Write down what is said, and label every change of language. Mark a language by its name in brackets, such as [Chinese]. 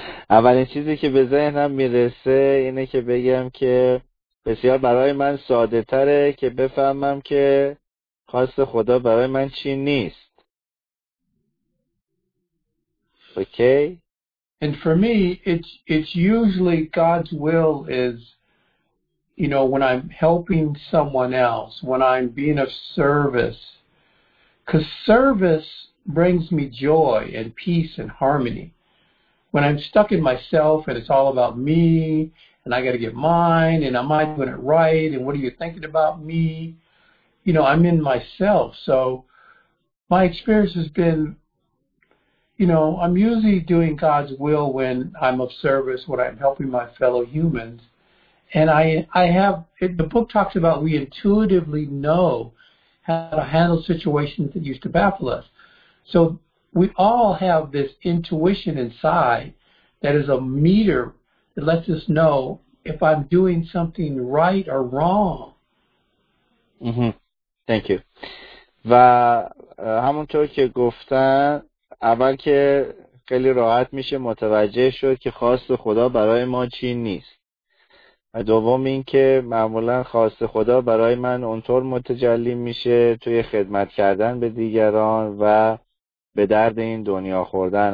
[Persian] اولین چیزی که به ذهنم میرسه اینه که بگم که بسیار برای من ساده تره که بفهمم که خواست خدا برای من چی نیست. [English] Okay. And for me, it's usually God's will is, you know, when I'm helping someone else, when I'm being of service, because service brings me joy and peace and harmony. When I'm stuck in myself and it's all about me. And I got to get mine, and am I doing it right? And what are you thinking about me? You know, I'm in myself. So my experience has been, you know, I'm usually doing God's will when I'm of service, when I'm helping my fellow humans. And I have, the book talks about we intuitively know how to handle situations that used to baffle us. So we all have this intuition inside that is a meter. It lets us know if I'm doing something right or wrong. Thank you. [Persian] و همونطور که گفتن اول که خیلی راحت میشه متوجه شد که خواست خدا برای ما چی نیست. و دوم این که معمولا خواست خدا برای من اونطور متجلی میشه توی خدمت کردن به دیگران و به درد این دنیا خوردن.